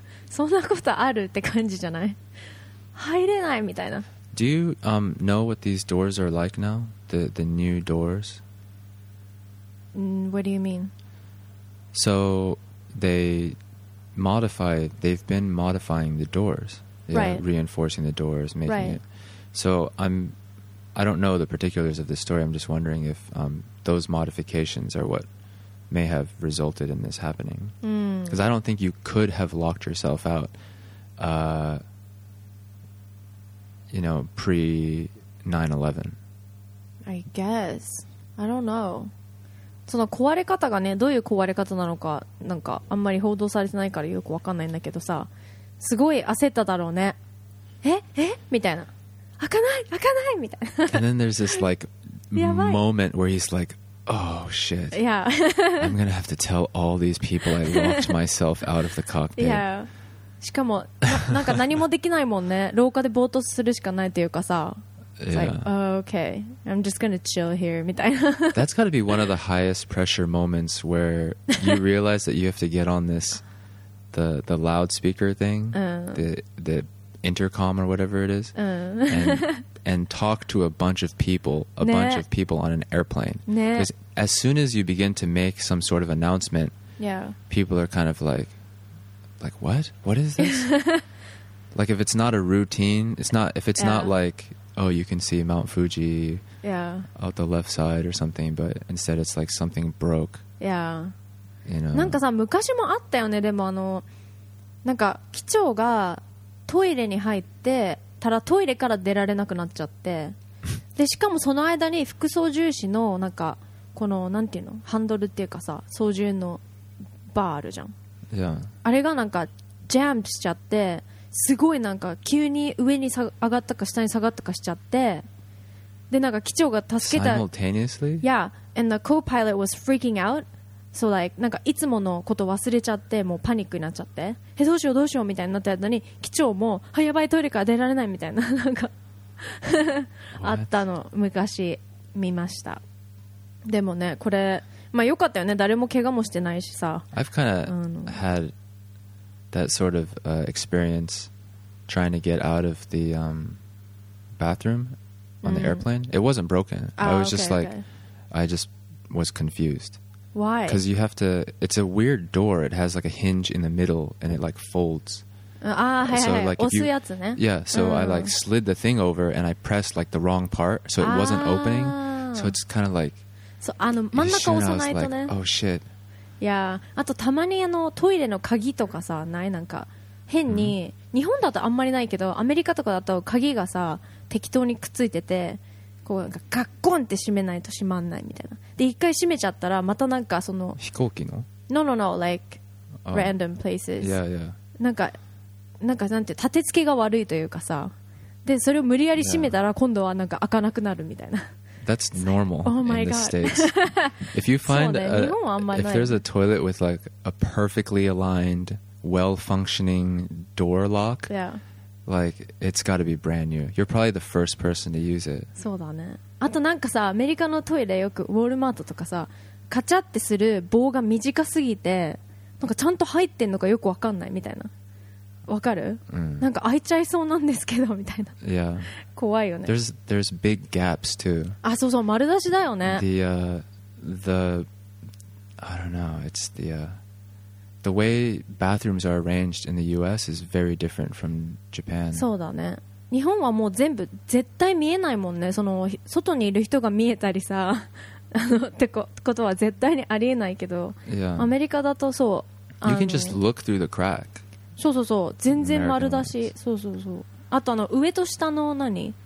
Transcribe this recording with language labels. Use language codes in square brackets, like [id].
[ja] そんなことあるって感じじゃない？入れないみたいな。 [en] Do you know what these doors are like now? The new doors? What do you mean? So they've been modifying the doors. Yeah, right. Reinforcing the doors, making right. it. So I don't know the particulars of this story. I'm just wondering if those modifications are what may have resulted in this happening. Because I don't think you could have locked yourself out, pre 9/11. I guess. I don't know. [ja] その壊れ方がね、どういう壊れ方なのか、なんかあんまり報道されてないからよくわかんないんだけどさ、すごい焦っただろうね。え？みたいな。開かない開かないみたいな。 [en] And then there's this like moment where he's like,Oh shit. Yeah. I'm going to have to tell all these people I locked myself out of the cockpit. Yeah. [ja] しかも、なんか何もできないもんね。廊下でぼーっとするしかないというかさ。 [en] Yeah. It's like, oh, okay. I'm just going to chill here, [ja] みたいな。 [en] That's got to be one of the highest pressure moments where you realize that you have to get on this, the loudspeaker thing, the intercom or whatever it is. And talk to a bunch of people, bunch of people on an airplane. Because as soon as you begin to make some sort of announcement, people are kind of like, what? What is this? Like, if it's not a routine, not like, oh, you can see Mount Fuji out the left side or something, but instead it's like something broke. Yeah. You know? [ja] なんかさ、昔もあったよね。でもなんか機長がトイレに入って、ただトイレから出られなくなっちゃって、でしかもその間に副操縦士のなんかこのなんていうのハンドルっていうかさ、操縦のバーあるじゃん、 [en] yeah. [ja] あれがなんかジャンプしちゃって、すごいなんか急に上に上がったか下に下がったかしちゃって、でなんか機長が助けた [en] simultaneously? Yeah, and the co-pilot was freaking out. So like, [ja] なんかいつものこと忘れちゃって、もうパニックになっちゃって、へ、どうしようどうしようみたいになった後に、機長もはやばいトイレから出られないみたいな、なんかあったの昔見ました。でもね、これまあ良かったよね、誰も怪我もしてないしさ。 [en] I've kind of had that sort of experience trying to get out of the bathroom on the airplane. It wasn't broken. I was just like, I just was confused. Why? Because you have to, it's a weird door. It has like a hinge in the middle and it like folds. Ah, hey, so like hey, hey. Yeah, so I like slid the thing over and I pressed like the wrong part, so it wasn't opening. So it's kind of like, [ja] so, 真ん中押さないとね。 [en] I was like, oh shit. [ja] Yeah, あとたまにトイレの鍵とかさ、ない？なんか変に、日本だとあんまりないけど、アメリカとかだと鍵がさ、適当にくっついてて、こうなんかガッコンって閉めないと閉まんないみたいな。で一回閉めちゃったらまたなんかその飛行機の [en] No, like random places. Yeah, yeah. [ja] なんかなんて立て付けが悪いというかさ、でそれを無理やり閉めたら今度はなんか開かなくなるみたいな。 [en] That's normal. Oh my god. In the States. If you find if there's a toilet with like a perfectly aligned, well functioning door lock. Yeah. Like, it's got to be brand new. You're probably the first person to use it. [ja] そうだね。あとなんかさ、アメリカのトイレよくウォールマートとかさ、カチャってする棒が短すぎて、なんかちゃんと入ってんのかよくわかんないみたいな。わかる？なんか開いちゃいそうなんですけどみたいな。 [en] Yeah. [ja] 怖いよね。 [en] There's big gaps too. [ja] あ、そうそう、丸出しだよね。 [en] I don't know. It's the the way bathrooms are arranged in the US is very different from Japan. [ja] そうだね。日本はもう全部絶対見えないもんね。その外にいる人が見えたりさ、ってことは絶対にありえないけど、 [en] yeah. [ja] アメリカだとそう。 [en] You can just look through the crack. [ja] そうそうそう、全然丸だし、そうそうそう。あとあの上と下の何？